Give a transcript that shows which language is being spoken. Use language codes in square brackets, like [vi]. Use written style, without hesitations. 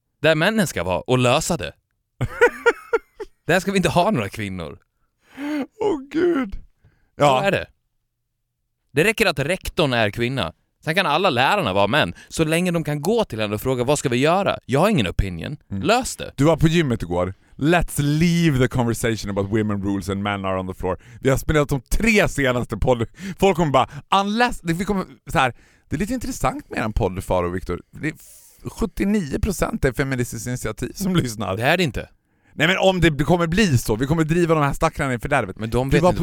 [sv] Där männen ska vara och lösa det. Där ska vi inte ha några kvinnor. Åh oh, gud. Ja. Så är det. Det räcker att rektorn är kvinna. Sen kan alla lärarna vara män. Så länge de kan gå till henne och fråga vad ska vi göra? Jag har ingen opinion. Mm. Lös det. Du var på gymmet igår. [en] Let's leave the conversation about women rules and men are on the floor. [sv] Vi har spelat de tre senaste podden. Folk kommer bara, unless... Vi kommer, så här, det är lite intressant med en podd, Faro och Victor. Det är 79% är feministiskt initiativ som lyssnar. Det är det inte. Nej, men om det kommer bli så. Vi kommer driva de här stackarna i fördärvet. Men de vet inte